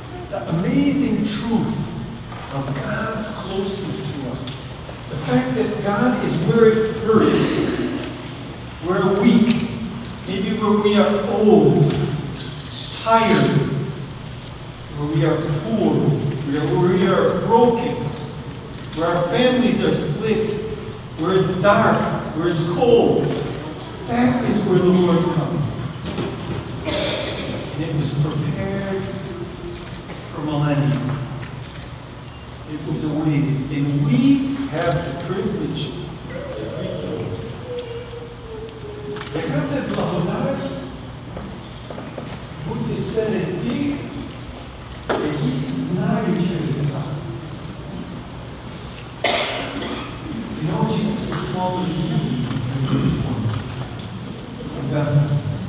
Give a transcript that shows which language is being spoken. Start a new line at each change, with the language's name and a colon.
English: The amazing truth of God's closeness to us, the fact that God is where it hurts, where we're weak, maybe where we are old, tired, where we are poor, where we are broken, where our families are split, where it's dark, where it's cold, that is where the Lord comes. And it was prepared for millennium. It was awaited. And we have the privilege to be here.
Ukrainian: Як це благодать бути серед тих, які знають Христа.
English: You know, Jesus was smaller than you in this point.